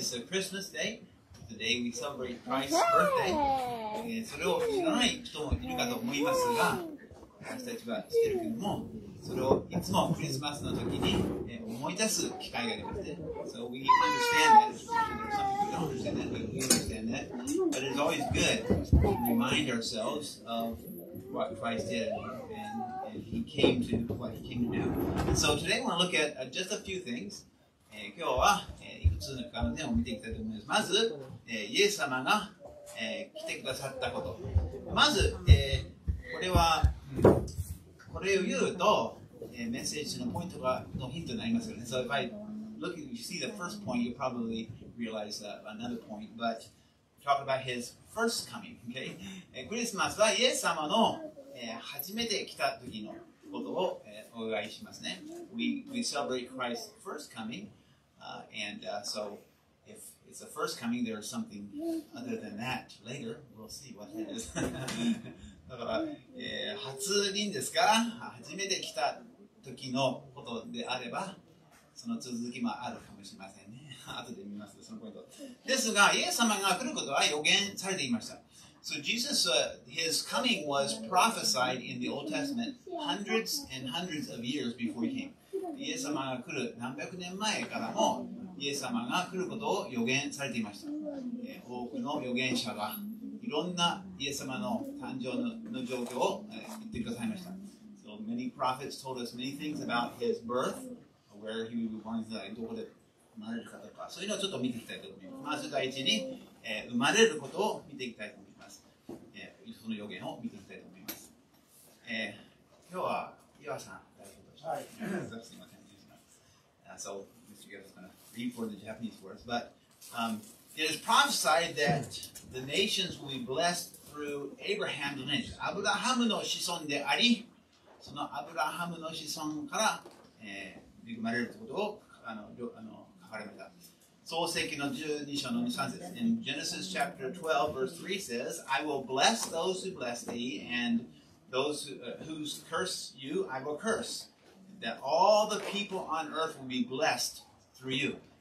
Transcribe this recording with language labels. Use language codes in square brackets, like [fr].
[en] Christmas Day, the day we celebrate Christ's birthday. [ja] それを知らない人もいるかと思いますが、私たちは知ってるけども、それをいつもクリスマスの時に思い出す機会がありますね。 [en] So we understand that. Some people don't understand that, but we understand that. But it's always good to remind ourselves of what Christ did and He came to do what He came to do. And so today I want to look at just a few things. [ja] 今日は、いくつかの点を見ていきたいと思います。まず、イエス様が、来てくださったこと。まず、これはこれを言うと、メッセージのポイントがのヒントになりますよね。 [en] So if I look at, if you see the first point, you probably realize another point. But talk about his first coming. Okay? [ja] クリスマスはイエス様の、初めて来た時のことを、お祝いしますね。 [en] We celebrate Christ's first coming. So if it's the first coming, there's something other than that later. We'll see what that is. [ja] だから、初臨ですから、初めて来た時のことであれば、その続きもあるかもしれませんね。後で見ます、そのポイント。ですが、イエス様が来ることは予言されていました。 [en] So Jesus, his coming was prophesied in the Old Testament hundreds and hundreds of years before he came. [ja] イエス様が来る何百年前からも、イエス様が来ることを予言されていました。多くの預言者が、いろんなイエス様の誕生 の状況を、言ってくださいました。 [en] So many prophets told us many things about his birth, where he was born, [ja] どこで生まれるかとか、そういうのをちょっと見ていきたいと思います。まず第一に、生まれることを見ていきたいと思います。その予言を見ていきたいと思います。今日は岩さん代表として、すみません、失礼します。 [en] So Mr. Gill is going to read for the Japanese words, but、it is prophesied that the nations will be blessed through Abraham's lineage. [ja] アブラハムの子孫であり、そのアブラハムの子孫から、恵まれるということを書かれました。創世記の12章の2、3節。 [en] In Genesis chapter 12, verse 3 says, I will bless those who bless thee, and those who curse you, I will curse. That all the people on earth will be blessed through you.